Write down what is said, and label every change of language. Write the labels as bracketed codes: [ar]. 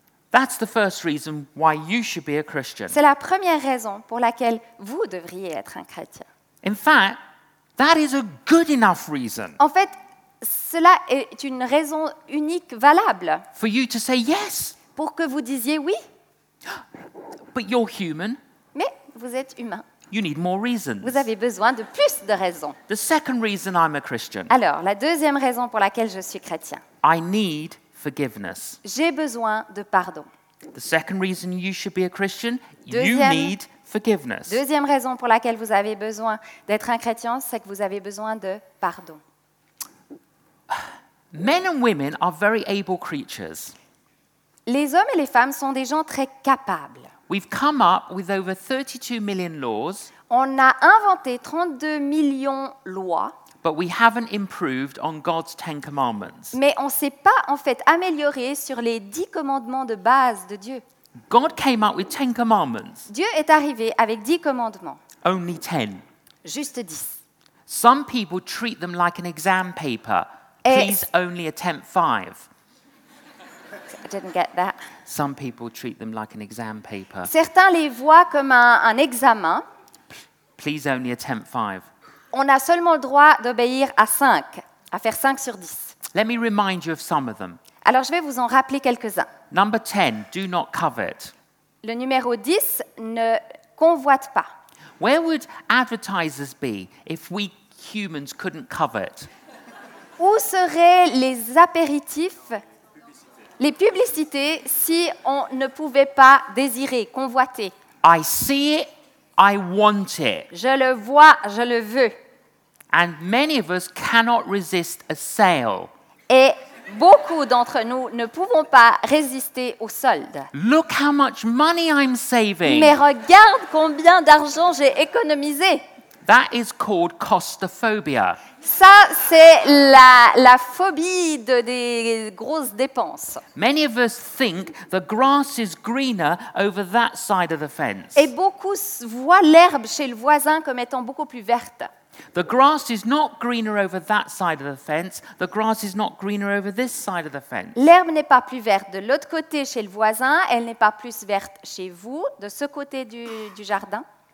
[en] That's the first reason why you should be a Christian. [fr] C'est la première raison pour laquelle vous devriez être un chrétien. [en] In fact, that is a good enough reason. [fr] En fait, cela est une raison unique valable. [en] For you to say yes. [fr] Pour que vous disiez oui. [en] But you're human. [fr] Mais vous êtes humain. [en] You need more reasons. [fr] Vous avez besoin de plus de raisons. [en] The second reason I'm a Christian. [fr] Alors, la deuxième raison pour laquelle je suis chrétien. [en] I need forgiveness. [fr] J'ai besoin de pardon. [en] The second reason you should be a Christian, you need forgiveness. [fr] Deuxième raison pour laquelle vous avez besoin d'être un chrétien, c'est que vous avez besoin de pardon. [en] Men and women are very able creatures. [fr] Les hommes et les femmes sont des gens très capables. [en] We've come up with over 32 million laws. [fr] On a inventé 32 millions de lois. [en] But we haven't improved on God's Ten Commandments. [fr] Mais on s'est pas en fait amélioré sur les 10 commandements de base de Dieu. [en] God came up with 10 commandments. [fr] Dieu est arrivé avec 10 commandements. [en] Only 10. [fr] Juste 10. [en] Some people treat them like an exam paper. Please only attempt 5. I didn't get that. Some people treat them like an exam paper. [fr] Certains les voient comme un examen. [en] Please only attempt 5. [fr] On a seulement le droit d'obéir à 5, à faire 5 sur 10. [en] Let me remind you of some of them. [fr] Alors je vais vous en rappeler quelques-uns. [en] Number 10, do not covet. [fr] Le numéro 10, ne convoite pas. [en] Where would advertisers be if we humans couldn't covet? [fr] Où seraient les apéritifs, les publicités, si on ne pouvait pas désirer, convoiter? [en] I see it. I want it. [fr] Je le vois, je le veux. [en] And many of us cannot resist a sale. [fr] Et beaucoup d'entre nous ne pouvons pas résister aux soldes. [en] Look how much money I'm saving. [fr] Mais regarde combien d'argent j'ai économisé. [en] That is called costophobia. [fr] Ça, c'est la phobie des grosses dépenses. [en] Many of us think the grass is greener over that side of the fence. [fr] Et beaucoup voient l'herbe chez le voisin comme étant beaucoup plus verte. [en] The grass is not greener over that side of the fence. The grass is not greener over this side of the fence. [fr] L'herbe n'est pas plus verte de l'autre côté chez le voisin. Elle n'est pas plus verte chez vous, de ce côté du jardin.